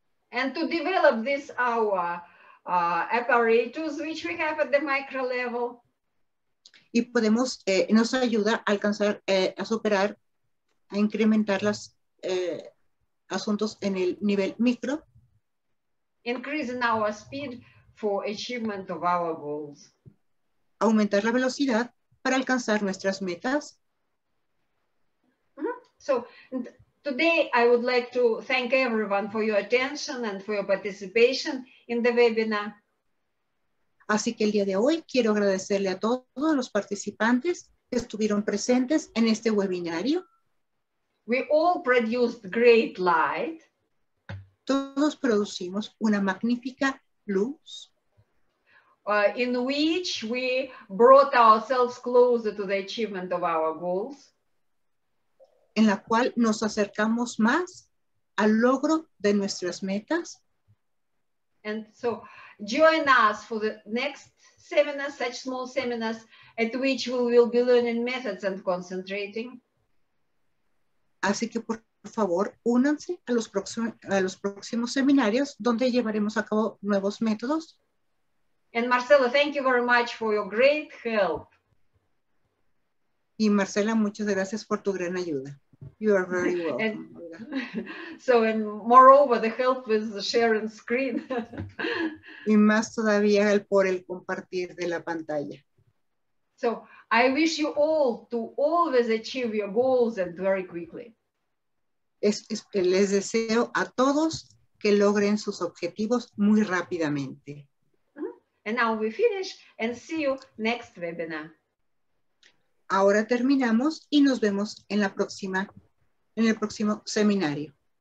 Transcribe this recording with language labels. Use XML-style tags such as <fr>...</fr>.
<en>And to develop this our apparatus which we have at the micro level.</en> <es>Y podemos, nos ayuda a alcanzar, a superar, a incrementar los asuntos en el nivel micro.</es> <en>Increasing our speed for achievement of our goals.</en> <es>Aumentar la velocidad para alcanzar nuestras metas.</es> <en>So, today I would like to thank everyone for your attention and for your participation in the webinar.</en> <es>Así que el día de hoy quiero agradecerle a todos los participantes que estuvieron presentes en este webinario.</es> <en>We all produced great light.</en> <es>Todos producimos una magnífica luz.</es> <en>In which we brought ourselves closer to the achievement of our goals.</en> <es>En la cual nos acercamos más al logro de nuestras metas.</es> <en>And so join us for the next seminar, such small seminars, at which we will be learning methods and concentrating.</en> <es>Así que por favor, únanse a los próximos, seminarios donde llevaremos a cabo nuevos métodos.</es> <en>And Marcela, thank you very much for your great help.</en> <es>Y Marcela, muchas gracias por tu gran ayuda.</es> <en>You are very welcome. And, so, and moreover, the help with the sharing screen.</en> <es>Y más todavía el por el compartir de la pantalla.</es> <en>So, I wish you all to always achieve your goals and very quickly.</en> <es>Les deseo a todos que logren sus objetivos muy rápidamente.</es> <en>And now we finish and see you next webinar.</en> <es>Ahora terminamos y nos vemos en la próxima, en el próximo seminario.</es>